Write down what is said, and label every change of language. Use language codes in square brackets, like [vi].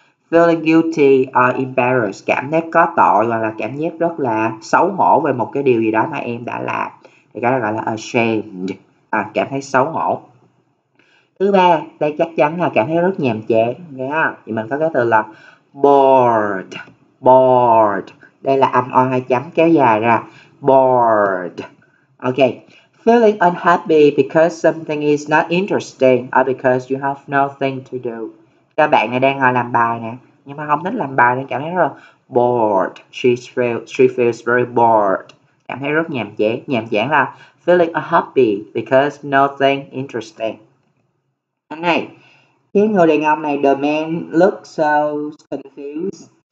[en] Feeling guilty or embarrassed, [vi] cảm giác có tội hoặc là cảm giác rất là xấu hổ về một cái điều gì đó mà em đã làm. Thì cái đó gọi là ashamed, à, cảm thấy xấu hổ. Thứ ba, đây chắc chắn là cảm thấy rất nhàm chán. Thì mình có cái từ là bored. Bored. Đây là âm O hai chấm kéo dài ra. [en] Bored. Okay. Feeling unhappy because something is not interesting or because you have nothing to do. [vi] Các bạn này đang ngồi làm bài nè, nhưng mà không thích làm bài nên cảm thấy rất là bored. [en] She feels very bored. [vi] Cảm thấy rất nhàm chán. Nhàm chán là [en] feeling unhappy because nothing interesting. [vi] Anh này, cái người đàn ông này, [en] the man looks so confused.